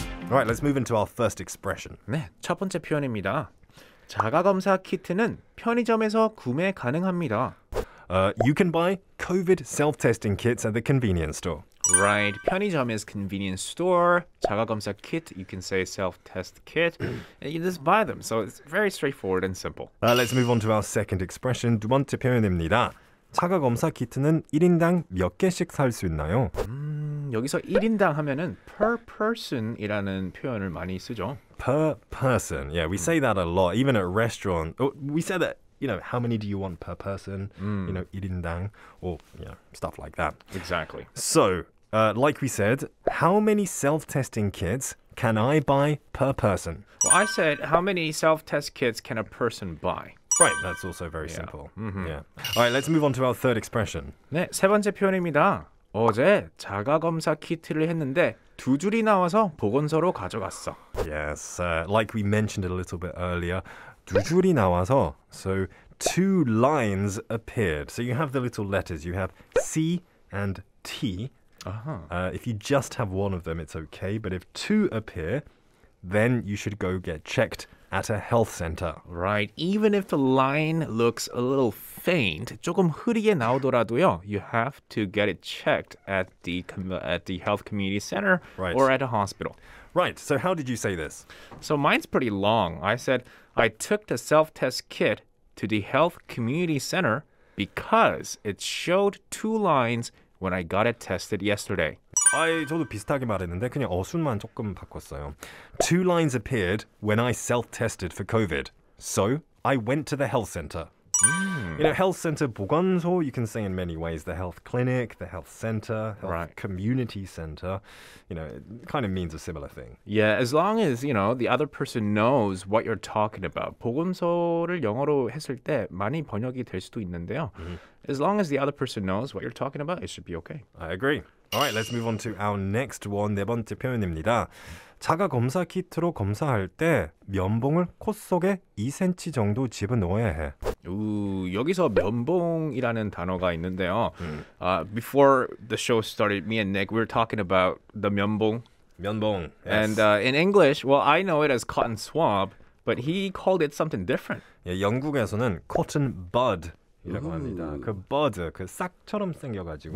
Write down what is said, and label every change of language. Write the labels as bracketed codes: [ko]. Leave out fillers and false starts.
[en] All right, let's move into our first expression. [ko] 네, 첫 번째 표현입니다. 자가검사 키트는 편의점에서 구매 가능합니다. [en] You can buy COVID self-testing kits at the convenience store. Right, 편의점 is convenience store. 자가검사 kit, you can say self-test kit. You just buy them, so it's very straightforward and simple. Let's move on to our second expression. [ko] 두 번째 표현입니다. 자가검사 키트는 1인당 몇 개씩 살 수 있나요? 여기서 1인당 하면은 [en] per person [ko] 이라는 표현을 많이 쓰죠. [en] Per person, yeah, we say that a lot. Even at restaurant, we say that, you know, how many do you want per person? You know, 1인당 or, you know, stuff like that. Exactly. So, like we said, how many self-testing kits can I buy per person? Well, I said, how many self-test kits can a person buy? Right, that's also very simple. Mm-hmm. Yeah. All right, let's move on to our third expression. [ko] 네, 세 번째 표현입니다. 어제 자가검사 키트를 했는데 두 줄이 나와서 보건소로 가져갔어. [en] Yes, like we mentioned a little bit earlier, [ko] 두 줄이 나와서, [en] so two lines appeared. So you have the little letters, you have C and T. If you just have one of them, it's okay. But if two appear, then you should go get checked at a health center. Right, even if the line looks a little faint, [ko] 조금 흐리게 나오더라도요, [en] you have to get it checked at the health community center or at a hospital. Right, so how did you say this? So mine's pretty long. I said, I took the self-test kit to the health community center because it showed two lines when I got it tested yesterday. [ko] 아이, 저도 비슷하게 말했는데 그냥 어순만 조금 바꿨어요. [en] Two lines appeared when I self-tested for COVID. So I went to the health center. You know, health center, 보건소, you can say in many ways, the health clinic, the health center, health community center, you know, it kind of means a similar thing. Yeah, as long as, you know, the other person knows what you're talking about. [ko] 보건소를 영어로 했을 때 많이 번역이 될 수도 있는데요. [en] As long as the other person knows what you're talking about, it should be okay. I agree. All right, let's move on to our next one, [ko] 네 번째 표현입니다. 자가검사 키트로 검사할 때 면봉을 콧속에 2cm 정도 집어넣어야 해. 여기서 면봉이라는 단어가 있는데요. [en] Before the show started, me and Nick, we were talking about the 면봉. [ko] 면봉, yes. [en] And in English, well, I know it as cotton swab, but he called it something different. [ko] 예, 영국에서는 cotton bud. 이라고 합니다. 그 bud, 그 싹처럼 생겨가지고